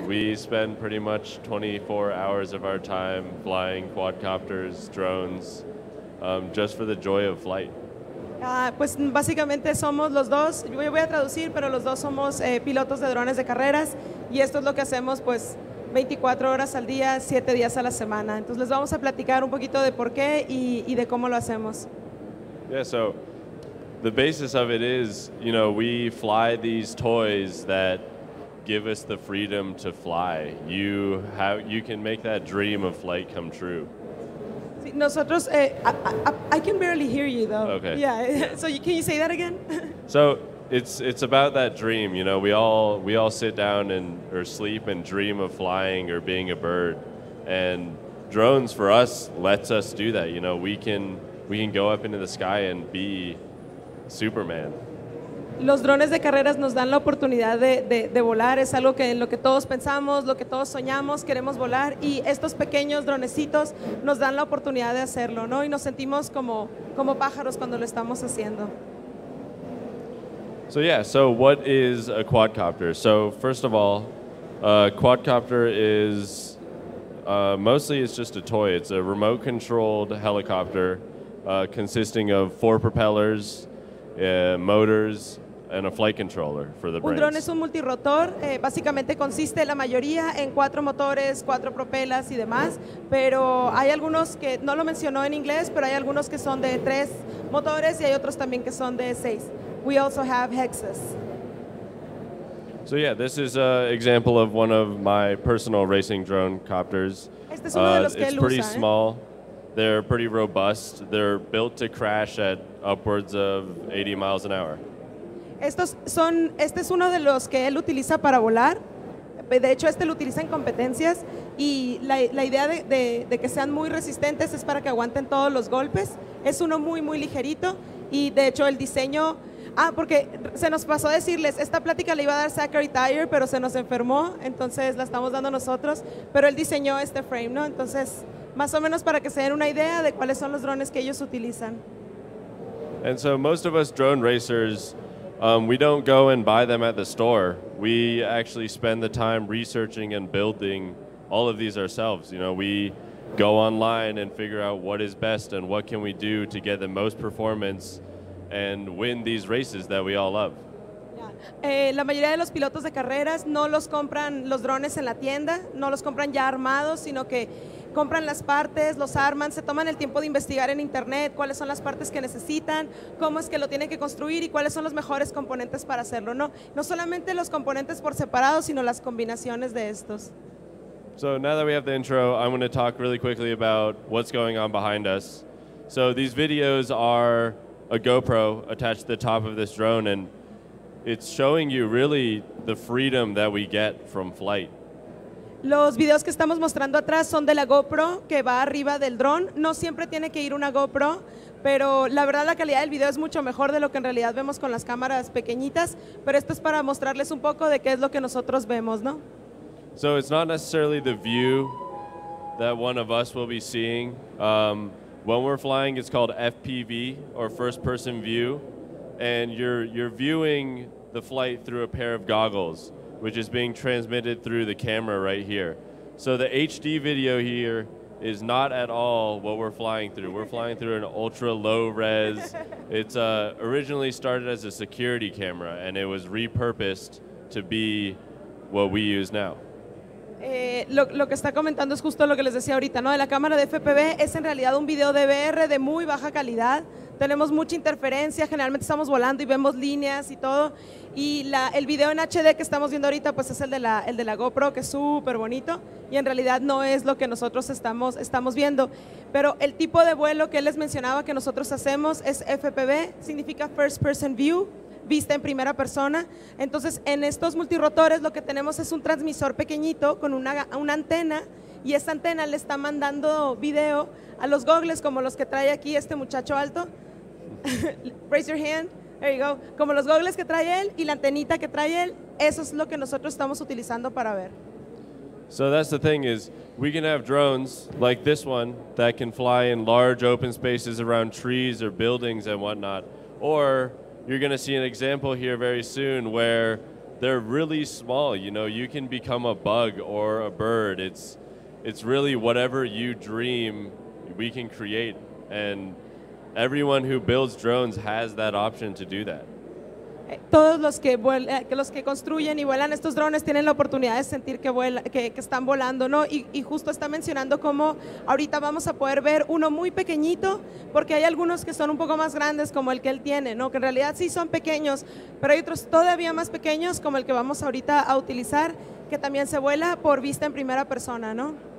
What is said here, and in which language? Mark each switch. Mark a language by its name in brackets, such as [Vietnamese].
[English] We spend pretty much 24 hours of our time flying quadcopters, drones, just for the joy of flight. [Spanish] Pues básicamente somos los dos. Yo voy a traducir, pero los dos somos pilotos de drones de carreras. Y esto es lo que hacemos, pues, 24 horas al día, 7 días a la semana. Entonces les vamos a platicar un poquito de por qué y de cómo lo hacemos. [English] Yeah, so the basis of it is, you know, we fly these toys that give us the freedom to fly. You can make that dream of flight come true. [Spanish] Nosotros, [English] I can barely hear you though. Okay. Yeah. So can you say that again? So it's about that dream. You know, we all sit down and or sleep and dream of flying or being a bird, and drones for us lets us do that. You know, we can go up into the sky and be Superman. [Spanish] Los drones de carreras nos dan la oportunidad de volar. Es algo que en lo que todos pensamos, lo que todos soñamos, queremos volar. Y estos pequeños dronecitos nos dan la oportunidad de hacerlo, ¿no? Y nos sentimos como pájaros cuando lo estamos haciendo. [English] So yeah, so what is a quadcopter? So first of all, a quadcopter is mostly it's just a toy. It's a remote controlled helicopter consisting of four propellers, motors, and a flight controller for the brains. [Spanish] Un dron es un multirotor. Básicamente consiste la mayoría en cuatro motores, cuatro propelas y demás. Pero hay algunos que no lo mencionó en inglés, pero hay algunos que son de tres motores y hay otros también que son de seis. [English] We also have hexes. So yeah, this is an example of one of my personal racing drone copters. [Spanish] Este es uno de los que [English] it's pretty [Spanish] usa, [English] small. They're pretty robust. They're built to crash at upwards of 80 miles an hour. [Spanish] Este es uno de los que él utiliza para volar. De hecho, este lo utiliza en competencias. Y la idea de que sean muy resistentes es para que aguanten todos los golpes. Es uno muy, muy ligerito. Y de hecho, el diseño... porque se nos pasó a decirles, esta plática la iba a dar Zachary Tire, pero se nos enfermó. Entonces, la estamos dando nosotros. Pero él diseñó este frame, ¿no? Entonces... más o menos para que se den una idea de cuáles son los drones que ellos utilizan. [English] And so most of us drone racers, we don't go and buy them at the store. We actually spend the time researching and building all of these ourselves. You know, we go online and figure out what is best and what can we do to get the most performance and win these races that we all love. [Spanish] La mayoría de los pilotos de carreras no los compran los drones en la tienda, no los compran ya armados, sino que compran las partes, los arman, se toman el tiempo de investigar en internet cuáles son las partes que necesitan, cómo es que lo tienen que construir y cuáles son los mejores componentes para hacerlo, ¿no? No solamente los componentes por separado, sino las combinaciones de estos. [English] So now that we have the intro, I'm going to talk really quickly about what's going on behind us. So these videos are a GoPro attached to the top of this drone, and it's showing you really the freedom that we get from flight. Los videos que estamos mostrando atrás son de la GoPro que va arriba del dron. No siempre tiene que ir una GoPro, pero la verdad la calidad del video es mucho mejor de lo que en realidad vemos con las cámaras pequeñitas, pero esto es para mostrarles un poco de qué es lo que nosotros vemos, ¿no? So it's not necessarily the view that one of us will be seeing. When we're flying, it's called FPV, or first person view, and you're viewing the flight through a pair of goggles, which is being transmitted through the camera right here. So the HD video here is not at all what we're flying through. We're flying through an ultra low res. It's originally started as a security camera, and it was repurposed to be what we use now. [Spanish] Lo que está comentando es justo lo que les decía ahorita, ¿no? De la cámara de FPV es en realidad un video de VR de muy baja calidad. Tenemos mucha interferencia, generalmente estamos volando y vemos líneas y todo. Y el video en HD que estamos viendo ahorita, pues es el de la GoPro, que es súper bonito. Y en realidad no es lo que nosotros estamos viendo. Pero el tipo de vuelo que les mencionaba que nosotros hacemos es FPV, significa First Person View, vista en primera persona. Entonces, en estos multirrotores lo que tenemos es un transmisor pequeñito con una antena, y esta antena le está mandando video a los goggles, como los que trae aquí este muchacho alto. [English] Raise your hand. There you go. [Spanish] Como los goggles que trae él y la antenita que trae él, eso es lo que nosotros estamos utilizando para ver. [English] So that's the thing is, we can have drones like this one that can fly in large open spaces around trees or buildings and whatnot, or you're going to see an example here very soon where they're really small. You know, you can become a bug or a bird. It's really whatever you dream, we can create. And everyone who builds drones has that option to do that. [Spanish] Todos los que construyen y vuelan estos drones tienen la oportunidad de sentir que vuelan, que están volando, ¿no? Y justo está mencionando cómo ahorita vamos a poder ver uno muy pequeñito, porque hay algunos que son un poco más grandes como el que él tiene, ¿no? Que en realidad sí son pequeños, pero hay otros todavía más pequeños como el que vamos ahorita a utilizar, que también se vuela por vista en primera persona, ¿no?